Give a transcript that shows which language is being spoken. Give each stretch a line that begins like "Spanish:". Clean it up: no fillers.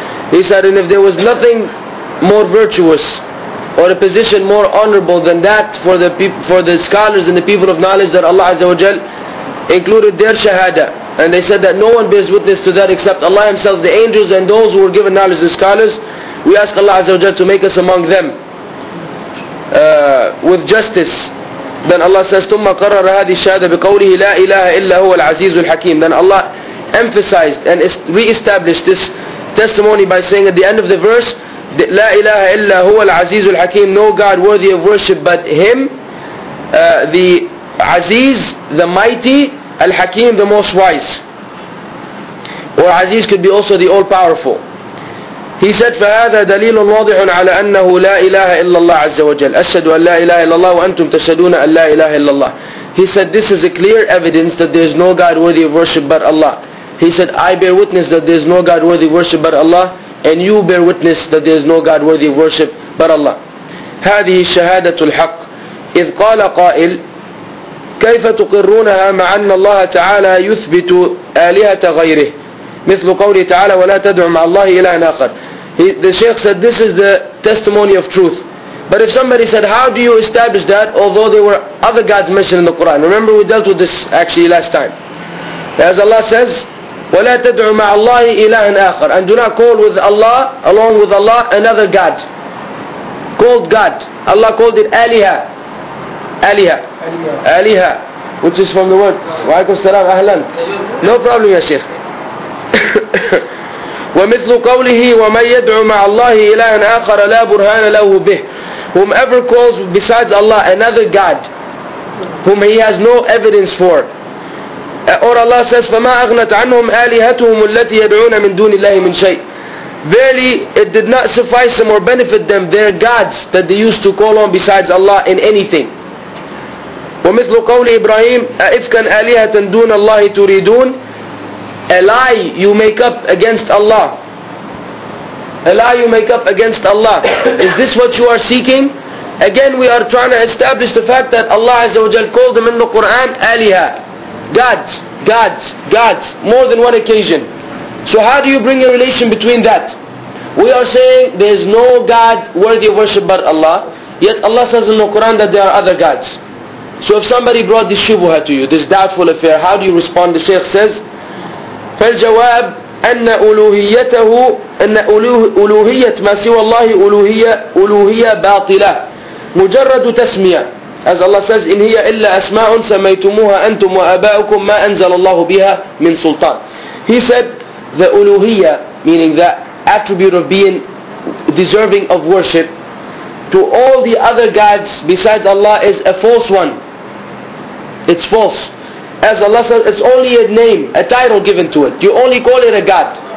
English: He said, and if there was nothing more virtuous or a position more honorable than that for the people, for the scholars and the people of knowledge, that Allah Azza wa Jal included their shahada. And they said that no one bears witness to that except Allah Himself, the angels, and those who were given knowledge, the scholars. We ask Allah Azza wa Jal to make us among them with justice. Then Allah says,
Arabic: ثُمَّ قَرَّرَ هَذِي الشَّهَدَ بِقَوْلِهِ لَا إِلَهَ إِلَّا هُوَ الْعَزِيزُ الْحَكِيمُ.
English: Then Allah emphasized and re-established this testimony by saying at the end of the verse,
Arabic: لَا إِلَهَ إِلَّا هُوَ الْعَزِيزُ الْحَكِيمُ.
English: No God worthy of worship but Him, the Aziz, the mighty, Al-Hakim, the most wise. Or Aziz could be also the all-powerful. He said,
Arabic: فَهَذَا دَلِيلٌ وَاضِحٌ عَلَى أَنَّهُ لَا إِلَهَ إِلَّا اللَّهِ عَزَّ وَجَلَّ أَسَّدُ أَنْ لَا إِلَهَ إِلَّا اللَّهِ وَأَنْتُمْ تَسَّدُونَ أَنْ لَا إِلَهَ إِلَّا اللَّهِ.
English: He said, this is a clear evidence that there is no God worthy of worship but Allah. He said, I bear witness that there is no God worthy of worship but Allah, and you bear witness that there is no God worthy of worship but Allah.
Arabic: هذه شهادة الحق. إذ قال قائل كيف تقرونها مع أن الله تعالى يثبت آلهة غيره مثل قوله تعالى ولا تدعوا مع الله إله آخر.
English: The Shaykh said, this is the testimony of truth. But if somebody said, how do you establish that although there were other gods mentioned in the Quran? Remember, we dealt with this actually last time. As Allah says,
Arabic: ولا تدعوا مع الله إله آخر,
English: and do not call with Allah, along with Allah, another god called God. Allah called it Aliha. Aliha. Aliha. Which is from the word.
Arabic: Wa alaykum salam ahlan.
English: No problem,
Arabic: ya Sheikh. ومثل قوله ومن يدعو مع الله إلها آخر لا برهان له به.
English: Whomever calls besides Allah another God whom he has no evidence for. Or Allah says,
Arabic: فما أغنت عنهم آلهتهم التي يدعون من دون الله من شيء.
English: Verily, it did not suffice them or benefit them their gods that they used to call on besides Allah in anything.
Arabic: ومثل قول إبراهيم أَإِفْكَنْ آلِهَةً دُونَ اللَّهِ تُرِيدُونَ.
English: A lie you make up against Allah. A lie you make up against Allah. Is this what you are seeking? Again, we are trying to establish the fact that Allah Azza wa Jal called them in the Quran آلِهَة. Gods, gods, gods, more than one occasion. So how do you bring a relation between that? We are saying there is no God worthy of worship but Allah, yet Allah says in the Quran that there are other gods. So if somebody brought this shubha to you, this doubtful affair, how do you respond? The Shaykh says,
Arabic: فالجواب أن ألوهيته أن ألوهية ما سوى الله ألوهية باطلة مجرد تسمية.
English: As Allah says,
Arabic: إن هي إلا أسماء سميتموها أنتم وأباؤكم ما أنزل الله بها من سلطان.
English: He said, the uluhiyya, meaning the attribute of being deserving of worship, to all the other gods besides Allah is a false one. It's false. As Allah says, it's only a name, a title given to it. You only call it a god.